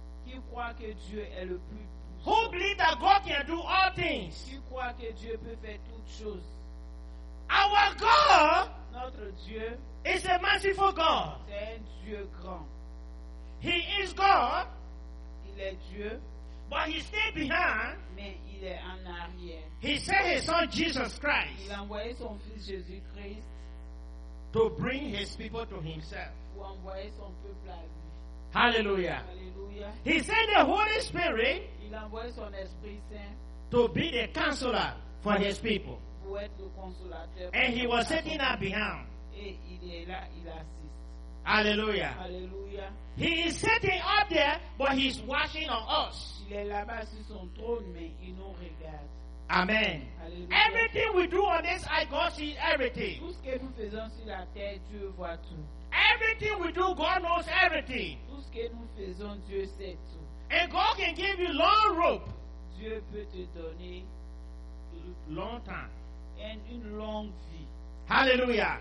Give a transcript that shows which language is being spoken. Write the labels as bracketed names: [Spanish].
[French] Qui croit que Dieu est le plus puissant? [English] Who believes that God can do all things? [French] Qui croit que Dieu peut faire toutes choses? [English] Our God, [French] notre Dieu, [English] is a merciful God. [French] C'est un Dieu grand. [English] He is God. [French] Il est Dieu. [English] But he stayed behind. [French] Mais il est en arrière. [English] He sent his son Jesus Christ. [French] Il a envoyé son fils Jésus Christ. [English] To bring his people to himself. [French] Pour envoyer son peuple à lui. [English] Hallelujah. [French] Hallelujah. [English] He sent the Holy Spirit. [French] Il a envoyé son Esprit Saint. [English] To be the counselor for his people. [French] Pour être le consolateur. [English] And he was sitting up behind. [French] Et il est là, il assiste. [English] Hallelujah. [French] Hallelujah. [English] He is sitting up there, but he's watching on us. [French] Il est là-bas sur son trône, mais il nous regarde. [English] Amen. [French] Hallelujah. [English] Everything we do on this earth, God sees everything. [French] Tout ce que nous faisons sur la terre, Dieu voit tout. [English] Everything we do, God knows everything. [French] Tout ce que nous faisons, Dieu sait tout. [English] And God can give you long rope. [French] Dieu peut te donner longtemps and une longue vie. [English] Hallelujah.